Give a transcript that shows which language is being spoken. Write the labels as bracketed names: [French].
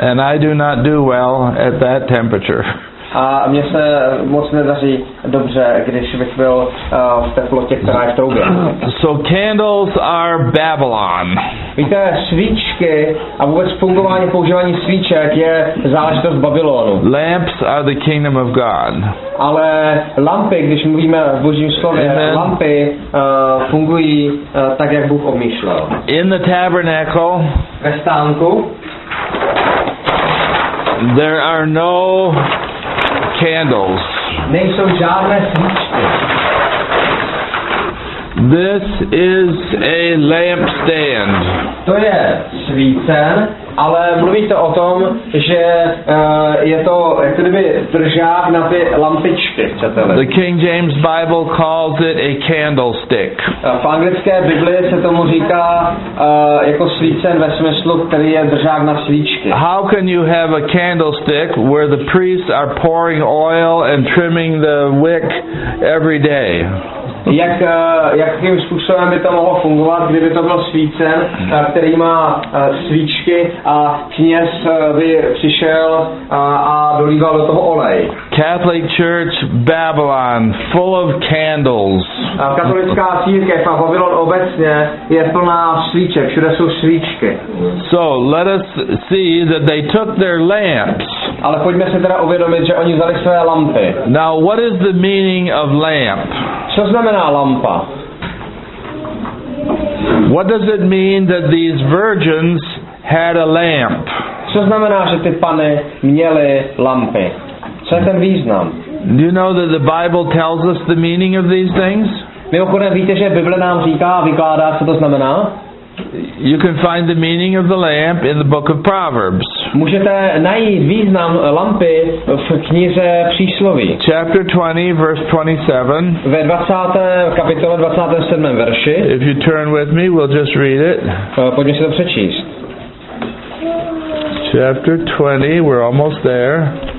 [English] And I do not do well at that temperature. [Czech] A mně se moc nedaří dobře, když bych byl v teplotě, která je v troubě. [English] So candles are Babylon. [Czech] Víte, svíčky a vůbec fungování, používání svíček je záležitost Babylonu. [English] Lamps are the kingdom of God. [Czech] Ale lampy, když mluvíme v Božím slově, lampy fungují tak, jak Bůh obmýšlel. [English] In the tabernacle. [Czech] Ve stánku. [English] There are no candles. [Czech] Nejsou žádné svíčky. [English] This is a lampstand. [Czech] To je svícen, ale mluvíte o tom, že je to jak kdyby držák na ty lampičky, chcete-li. [English] The King James Bible calls it a candlestick. [Czech] V anglické Bibli se tomu říká jako svícen ve smyslu, který je držák na svíčky. [English] How can you have a candlestick where the priests are pouring oil and trimming the wick every day? [Czech] Jakým způsobem by to mohlo fungovat, kdyby to byl svícen, který má svíčky a kněz by přišel a dolíval do toho olej. [English] Catholic Church Babylon, full of candles. [Czech] Katolická církev a Babylon obecně je plná svíček, všude jsou svíčky. [English] So, let us see that they took their lamps. [Czech] Ale pojďme se teda uvědomit, že oni vzali své lampy. [English] Now, what is the meaning of lamp? [Czech] Co znamená lampa? [English] What does it mean that these virgins had a lamp? [Czech] Co znamená, že ty pany měly lampy? Co je ten význam? [English] Do you know that the Bible tells us the meaning of these things? [Czech] Mimochodem víte, že Bible nám říká a vykládá, co to znamená? [English] You can find the meaning of the lamp in the book of Proverbs. [Czech] Můžete najít význam lampy v knize Přísloví. [English] Chapter 20, verse 27. [Czech] Ve 20. kapitole 27. verši. [English] If you turn with me, we'll just read it. [Czech] Pojďme si to přečíst. [English] Chapter 20, we're almost there.